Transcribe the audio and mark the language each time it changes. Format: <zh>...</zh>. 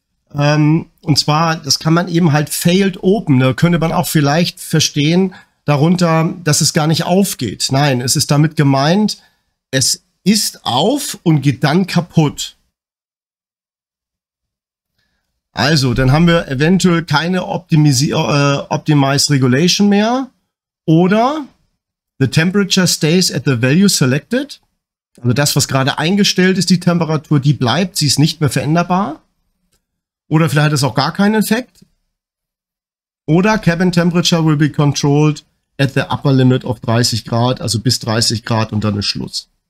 <de>Und zwar, das kann man eben halt failed open. Da könnte man auch vielleicht verstehen, darunter, dass es gar nicht aufgeht. Nein, es ist damit gemeint, es ist auf und geht dann kaputt. Also, dann haben wir eventuell keine Optimized Regulation mehr.</de> <en>Oder the temperature stays at the value selected.</en> <de>Also das, was gerade eingestellt ist, die Temperatur, die bleibt. Sie ist nicht mehr veränderbar. Oder vielleicht hat es auch gar keinen Effekt. Oder</de> <en>cabin temperature will be controlled at the upper limit of 30</en> <de>Grad, also bis 30 Grad und dann ist Schluss.</de>